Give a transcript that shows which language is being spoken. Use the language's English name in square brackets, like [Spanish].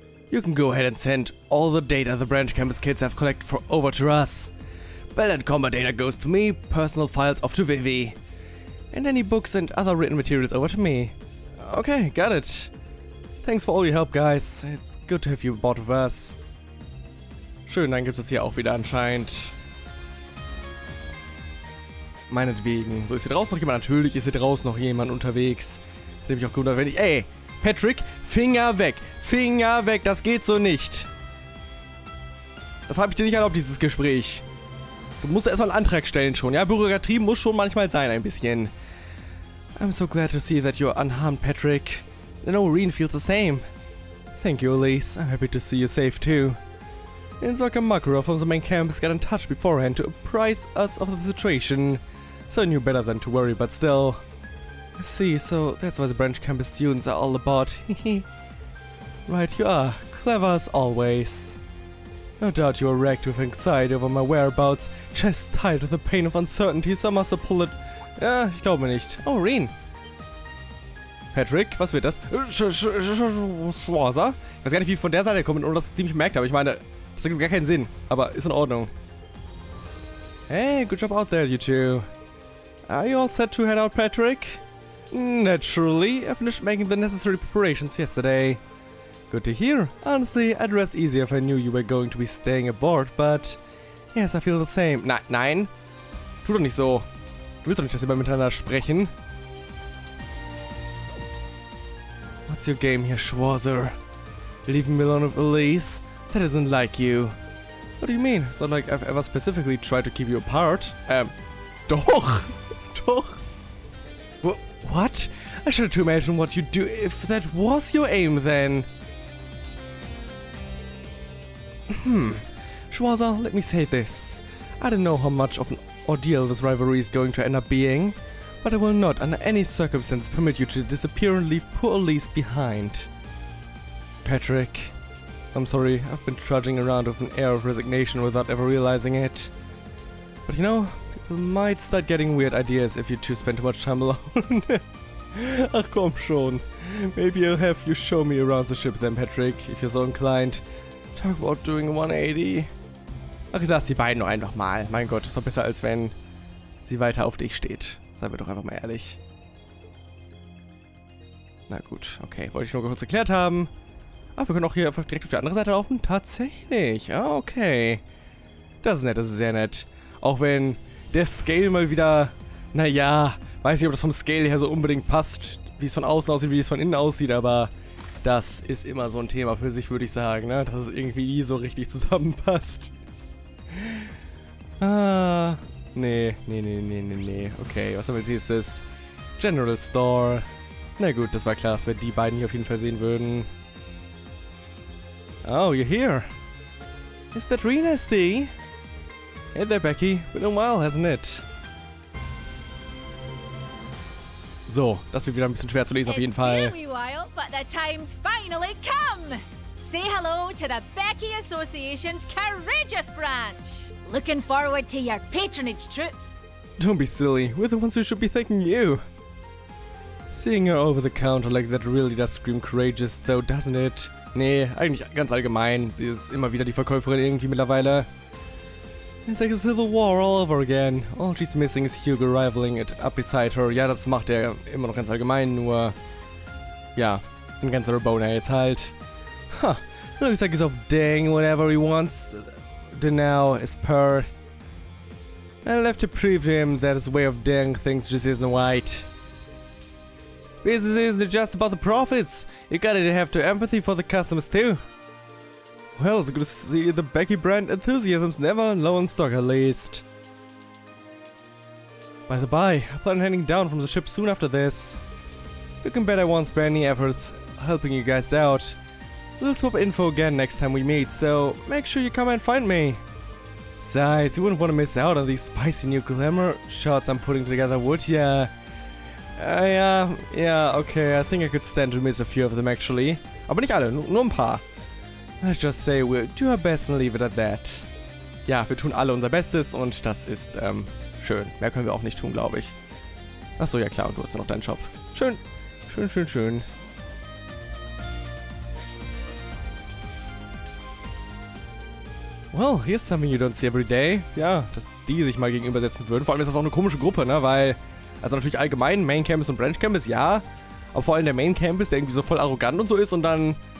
[English] You can go ahead and send all the data the Branch Campus kids have collected for over to us. Bell and combat data goes to me, personal files off to Vivi. And any books and other written materials over to me. Okay, got it. Thanks for all your help, guys. It's good to have you aboard with us. [German] Schön, dann gibt es hier auch wieder anscheinend. Meinetwegen. So, ist hier draußen noch jemand? Natürlich ist hier draußen noch jemand unterwegs. Hätte mich auch gewundert, wenn ich... Ey, Patrick, Finger weg! Finger weg, das geht so nicht! Das habe ich dir nicht erlaubt, dieses Gespräch. Du musst erstmal einen Antrag stellen schon, ja? Bürokratie muss schon manchmal sein, ein bisschen. [English] I'm so glad to see that you're unharmed, Patrick. I know Rin feels the same. Thank you, Elise. I'm happy to see you safe, too. Inzwakamakura from the main camp has got in touch beforehand to apprise us of the situation. so I knew better than to worry, but still. I see, so that's why the branch campus students are all about, hehe. Right, you are, clever as always. No doubt you are racked with anxiety over my whereabouts, chest tight with the pain of uncertainty, so I must pull it. [German] Ich glaube nicht. Oh, Rin! Patrick, was wird das? Schwarzer? Ich weiß gar nicht, wie ich von der Seite komme, ohne dass ich die mich bemerkt habe. Ich meine, das ergibt gar keinen Sinn, aber ist in Ordnung. [English] Hey, good job out there, you two. Are you all set to head out, Patrick? Naturally, I finished making the necessary preparations yesterday. Good to hear. Honestly, I'd rest easier if I knew you were going to be staying aboard, but... Yes, I feel the same. [German] Nein. Tu doch nicht so. Du willst doch nicht, dass wir miteinander sprechen. [English] What's your game here, Schwarzer? Leaving me alone with Elise? That isn't like you. What do you mean? It's not like I've ever specifically tried to keep you apart. [German] Doch! Doch! [English] What? I should have to imagine what you'd do if that was your aim, then. Schwarzer, let me say this. I don't know how much of an ordeal this rivalry is going to end up being, but I will not, under any circumstance, permit you to disappear and leave poor Elise behind. Patrick, I'm sorry, I've been trudging around with an air of resignation without ever realizing it. But you know, people might start getting weird ideas if you two spend too much time alone. [German] Ach komm schon. [English] Maybe I'll have you show me around the ship then, Patrick, if you're so inclined. Talk about doing a 180. [German] Ach, ich sag's die beiden nur einfach mal. Mein Gott, ist doch besser, als wenn sie weiter auf dich steht. Seien wir doch einfach mal ehrlich. Na gut, okay. Wollte ich nur kurz erklärt haben. Ah, wir können auch hier einfach direkt auf die andere Seite laufen? Tatsächlich. Ah, okay. Das ist nett, das ist sehr nett. Auch wenn der Scale mal wieder... Naja, weiß nicht, ob das vom Scale her so unbedingt passt, wie es von außen aussieht, wie es von innen aussieht, aber... Das ist immer so ein Thema für sich, würde ich sagen, ne? Dass es irgendwie nie so richtig zusammenpasst. Nee. Okay, was haben wir jetzt? Das General Store. Na gut, das war klar, dass wir die beiden hier auf jeden Fall sehen würden. [English] Oh, you're here. Is that Rina, see? Hey there, Becky. Been a while, hasn't it? [German] So, das wird wieder ein bisschen schwer zu lesen, auf jeden Fall. [English] It's been a while, but the time's finally come! Say hello to the Becky Association's Courageous Branch! Looking forward to your patronage trips! Don't be silly, we're the ones who should be thanking you! Seeing her over the counter like that really does scream courageous, though, doesn't it? [German] Nee, eigentlich ganz allgemein. Sie ist immer wieder die Verkäuferin irgendwie mittlerweile. [English] It's like a civil war all over again. All she's missing is Hugo rivaling it up beside her. [German] Ja, das macht er immer noch ganz allgemein, nur... Ja, ein ganzer Rabona jetzt halt. [English] Huh, looks like he's off dang whatever he wants. Danao is purr. I'll have to prove to him that his way of dang things just isn't right. Business isn't just about the profits. You gotta have to empathy for the customers too. Well, it's good to see the Becky brand enthusiasm's never low on stock, at least. By the by, I plan on heading down from the ship soon after this. You can bet I won't spare any efforts helping you guys out. We'll swap info again next time we meet, so make sure you come and find me. Besides, you wouldn't want to miss out on these spicy new glamour shots I'm putting together, would ya? Okay, I think I could stand to miss a few of them, actually. [German] Aber nicht alle, nur ein paar. [English] Let's just say we'll do our best and leave it at that. [German] Ja, wir tun alle unser Bestes und das ist, schön. Mehr können wir auch nicht tun, glaube ich. Achso, ja klar, und du hast ja noch deinen Job. Schön. [English] Well, here's something you don't see every day. [German] Ja, dass die sich mal gegenübersetzen würden. Vor allem ist das auch eine komische Gruppe, ne, weil... Also natürlich allgemein, Main Campus und Branch Campus, ja. Aber vor allem der Main Campus, der irgendwie so voll arrogant und so ist und dann...